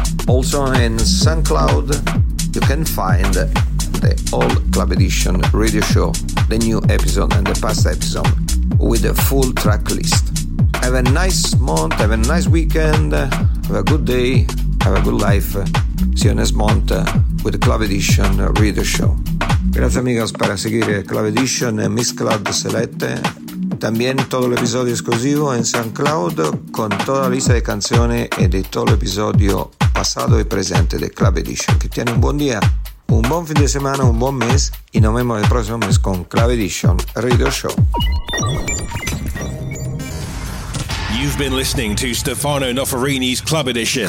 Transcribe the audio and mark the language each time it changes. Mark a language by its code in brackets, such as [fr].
[en] Also in SoundCloud, you can find the all Club Edition radio show, the new episode and the past episode with a full track list. Have a nice month, have a nice weekend, have a good day, have a good life. See you next month with the Club Edition radio show. [es] Grazie amigos para seguir Club Edition e Mix Cloud Select. También todo el episodio exclusivo en SoundCloud con toda la lista de canciones y de todo el episodio pasado y presente de Club Edition. Que tiene un buen día, un buen fin de semana, un buen mes y nos vemos el próximo mes con Club Edition Radio Show. [en] You've been listening to Stefano Noferini's Club Edition.